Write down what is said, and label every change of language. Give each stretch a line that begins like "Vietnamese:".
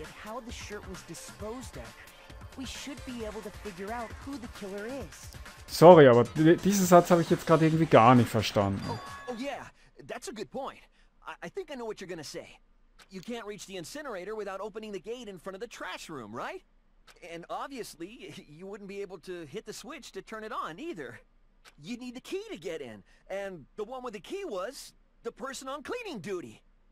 English: How the shirt was disposed of. We should be able to figure out who the killer is.
German: Sorry, aber diesen Satz habe ich jetzt gerade irgendwie gar nicht verstanden.
English: Oh yeah, that's a good point. I think I know what you're gonna say. You can't reach the incinerator without opening the gate in front of the trash room, right? And obviously, you wouldn't be able to hit the switch to turn it on either. You'd need the key to get in, and the one with the key was the person on cleaning duty.